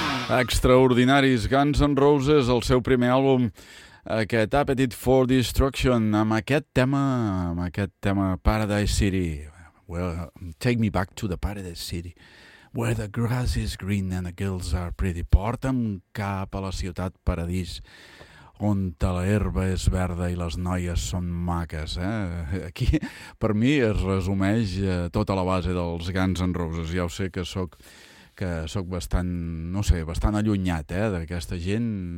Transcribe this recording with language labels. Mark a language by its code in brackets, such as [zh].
[ca] Extraordinaris, Guns N' Roses, el seu primer àlbum, aquest Appetite for Destruction, amb aquest tema Paradise City. [en] Well, take me back to the Paradise City, where the grass is green and the girls are pretty. [ca] Porta'm cap a la ciutat paradís, on la herba és verda i les noies són maques. Eh? Aquí, per mi, es resumeix tota la base dels Guns N' Roses. Ja ho sé que sóc bastant, no sé, bastant allunyat, eh, d'aquesta gent.